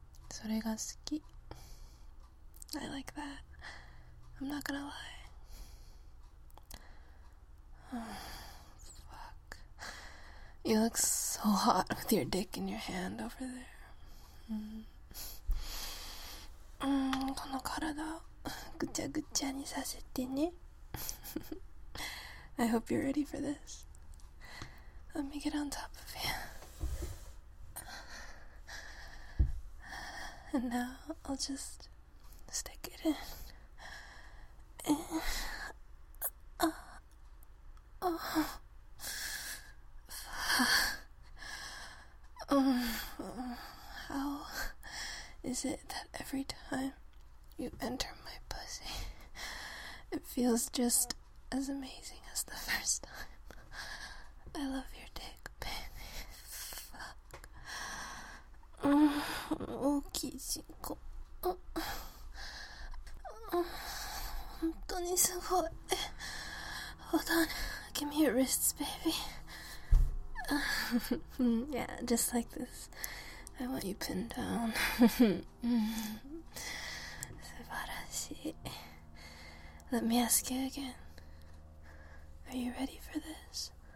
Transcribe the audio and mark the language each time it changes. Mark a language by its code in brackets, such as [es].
[ja] それが好き。 [en] I like that. I'm not gonna lie. Fuck. You look so hot with your dick in your hand over there. [ja] この体をぐちゃぐちゃにさせてね。 [en] I hope you're ready for this. Let me get on top of you. And now I'll just stick it in. How is it that every time you enter my pussy, it feels just as amazing as the first time? I love your dick, baby. Fuck. [ja] 大きい人工、本当にすごい。 [en] Hold on, give me your wrists, baby. Yeah, just like this. I want you pinned down. [ja] 素晴らしい。 [en] Let me ask you again. Are you ready for this?